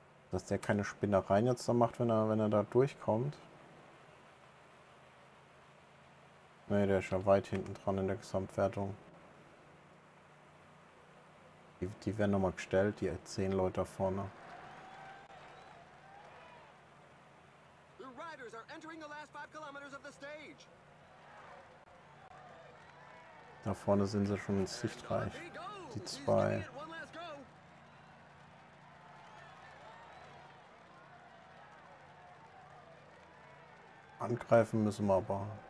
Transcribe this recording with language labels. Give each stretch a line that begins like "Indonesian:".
German: Dass der keine Spinnereien jetzt da macht, wenn er da durchkommt. Ne, der ist ja weit hinten dran in der Gesamtwertung. Die werden nochmal gestellt, die 10 Leute da vorne.
English: The riders are entering the last 5 kilometers of the stage.
German: Da vorne sind sie schon ins Sichtreich. Die zwei. Angreifen müssen wir aber.